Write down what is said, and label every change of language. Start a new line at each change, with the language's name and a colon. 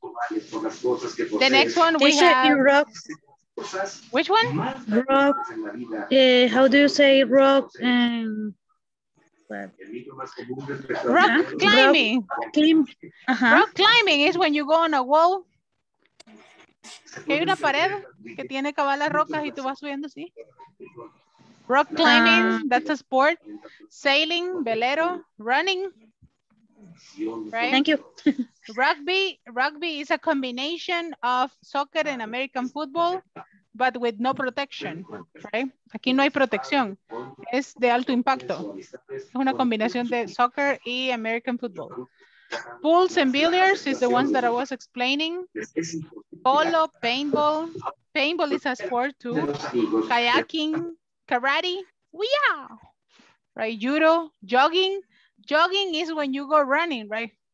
English: The next one we have. Rock. Which one? Rock. How do you say rock? Rock climbing. Rock climbing is when you go on a wall
Spanish: Hay una pared que tiene cabal las rocas y tú vas subiendo, ¿sí?
English: Rock climbing, that's a sport. Sailing, velero, running. Right? Thank you. Rugby is a combination of soccer and American football, but with no protection, right?
Spanish: Aquí no hay protección. Es de alto impacto. Es una combinación de soccer y American football.
English: Pools and billiards is the ones that I was explaining. Polo, paintball. Paintball is a sport too. Kayaking, karate. Yeah. Right, judo, jogging. Jogging is when you go running, right?